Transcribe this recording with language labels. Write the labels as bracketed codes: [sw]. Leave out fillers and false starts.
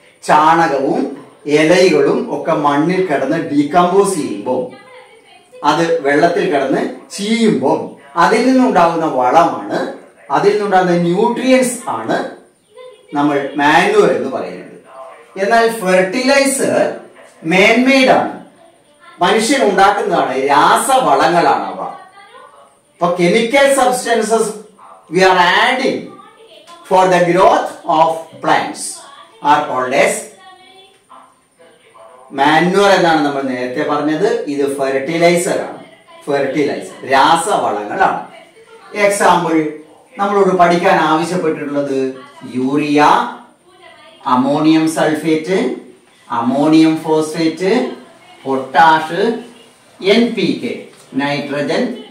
[ml] ചാണകവും ഇലകളും ഒക്കെ മണ്ണിൽ കിടന്ന് ഡീകമ്പോസ് ചെയ്യുമ്പോൾ, അത് വെള്ളത്തിൽ കിടന്ന് ചീയുമ്പോൾ അതിൽ നിന്നുണ്ടാകുന്ന വളമാണ്, അതിൽ നിന്നുണ്ടാകുന്ന ന്യൂട്രിയൻസ് ആണ് നമ്മൾ മാനുവർ എന്ന് പറയുന്നത്. എന്നാൽ ഫെർട്ടിലൈസർ മാൻമെയ്ഡ് ആണ്, മനുഷ്യൻ ഉണ്ടാക്കുന്നതാണ്, രാസവളങ്ങളാണ് അവ. [en] ഇപ്പൊ chemical substances we are adding for the growth of plants are called as manure [ml] എന്നാണ് നമ്മൾ നേരത്തെ പറഞ്ഞത്. ഇത് ഫെർട്ടിലൈസർ ആണ്, ഫെർട്ടിലൈസർ രാസവളങ്ങളാണ്. എക്സാമ്പിൾ, നമ്മളോട് പഠിക്കാൻ ആവശ്യപ്പെട്ടിട്ടുള്ളത് urea, ammonium sulphate, ammonium phosphate, potash, N P K, nitrogen.